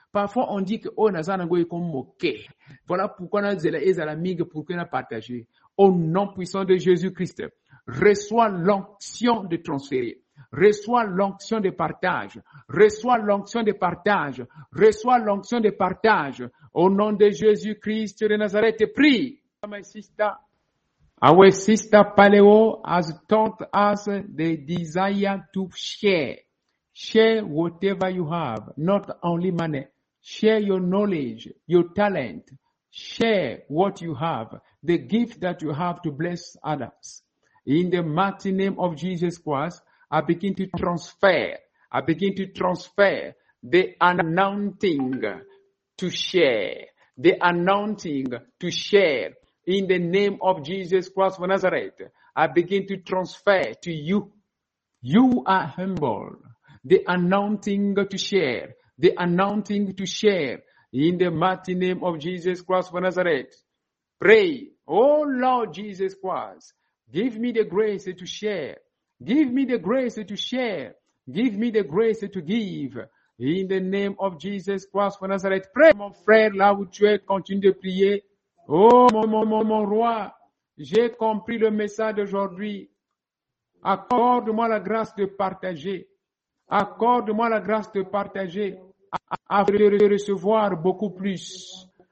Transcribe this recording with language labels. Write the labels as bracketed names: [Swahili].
[French] Parfois, on dit que « Oh, Nazanango est comme moqué. » Voilà pourquoi on a dit « Les amis, pour qu'on a partagé. » Au nom puissant de Jésus-Christ, reçois l'onction de transférer. Reçois l'onction de partage. Reçois l'onction de partage. Reçois l'onction de partage. Au nom de Jésus-Christ de Nazareth, prie. [English] « My sister, our sister Paleo has taught us the desire to share. » Share whatever you have, not only money. Share your knowledge, your talent. Share what you have, the gift that you have to bless others. In the mighty name of Jesus Christ, I begin to transfer. I begin to transfer the anointing to share. The anointing to share. In the name of Jesus Christ of Nazareth, I begin to transfer to you. You are humble. The anointing to share. The anointing to share. In the mighty name of Jesus Christ of Nazareth. Pray. Oh Lord Jesus Christ. Give me the grace to share. Give me the grace to share. Give me the grace to give. In the name of Jesus Christ of Nazareth. Pray. [French] Mon frère, là où tu es, continue de prier. Oh mon roi. J'ai compris le message d'aujourd'hui. Accorde-moi la grâce de partager. Accorde-moi la grâce de partager afin de recevoir beaucoup plus.